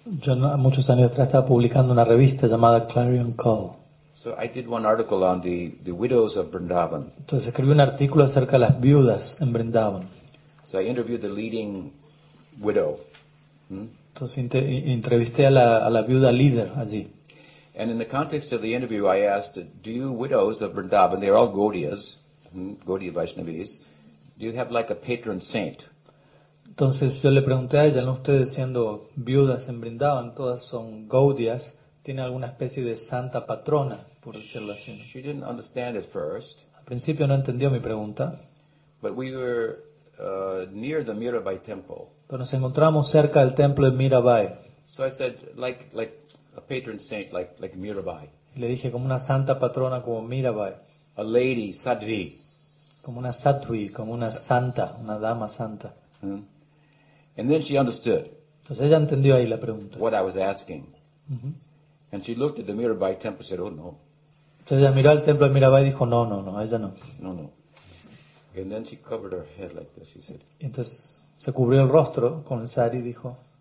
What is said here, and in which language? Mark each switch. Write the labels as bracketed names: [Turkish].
[Spanish] Yo, muchos años atrás, estaba publicando una revista llamada Clarion Call. [English] So I did one article on the widows of Vrindavan. [Spanish] Entonces escribí un artículo acerca de las viudas en Vrindavan. [English] So I interviewed the leading widow. [Spanish] Entonces entrevisté a la viuda líder allí. [English] And in the context of the interview, I asked, "Do you widows of Vrindavan? They are all Gaudiyas, Gaudiya Vaishnavis. Do you have like a patron saint?" [Spanish] Entonces yo le pregunté a ella, ¿no ustedes siendo viudas en Vrindavan, todas son Gaudiyas, tiene alguna especie de santa patrona, por decirlo así? [English] She didn't understand at first. [Spanish] Al principio no entendió mi pregunta. [English] But we were near the Mirabai temple. [Spanish] Pero nos encontramos cerca del templo de Mirabai. [English] So I said, like a patron saint, like Mirabai. [Spanish] Le dije, como una santa patrona como Mirabai. [English] A lady, sadvi. [Spanish] Como una sadvi, como una santa, una dama santa. [English] Mm-hmm. And then she understood. [Spanish] Entonces ella entendió ahí la pregunta. [English] What I was asking. Mm-hmm. And she looked at the Mirabai temple and said, oh no. [Spanish] Entonces ella miró al templo de Mirabai y dijo, no, ella no. [English] No. And then she covered her head like this, she said. [Spanish] Entonces, se cubrió el rostro con el sari y dijo,